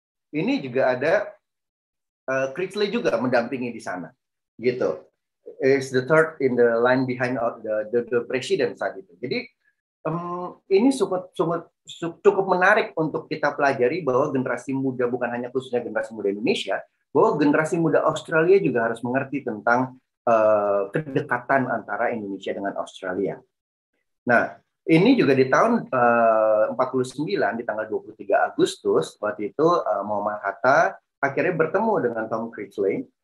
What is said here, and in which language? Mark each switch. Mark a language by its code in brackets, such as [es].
[id] Ini juga ada Critchley juga mendampingi di sana, gitu. [en] It's the third in the line behind the president [id] saat itu. Jadi ini cukup menarik untuk kita pelajari bahwa generasi muda, bukan hanya khususnya generasi muda Indonesia, bahwa generasi muda Australia juga harus mengerti tentang kedekatan antara Indonesia dengan Australia. Nah, ini juga di tahun 49, di tanggal 23 Agustus, waktu itu Muhammad Hatta akhirnya bertemu dengan Tom Critchley.